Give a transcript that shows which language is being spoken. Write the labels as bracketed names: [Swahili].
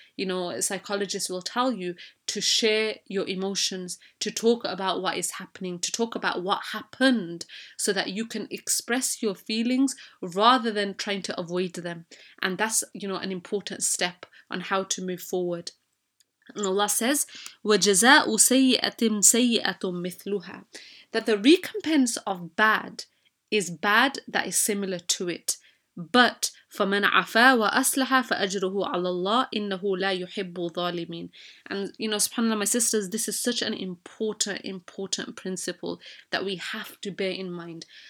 [English] You know, psychologists will tell you to share your emotions, to talk about what is happening, to talk about what happened, so that you can express your feelings rather than trying to avoid them. And that's, you know, an important step on how to move forward. And Allah says, [Arabic] وَجَزَاءُ سَيِّئَةٍ سَيِّئَةٌ مِثْلُهَا. [English] That the recompense of bad is bad that is similar to it. [Arabic] But فَمَنْ عَفَى وَأَصْلَحَ فَأَجْرُهُ عَلَى اللَّهِ إِنَّهُ لَا يُحِبُّ ظَالِمِينَ. [English] And, you know, subhanAllah, my sisters, this is such an important, important principle that we have to bear in mind.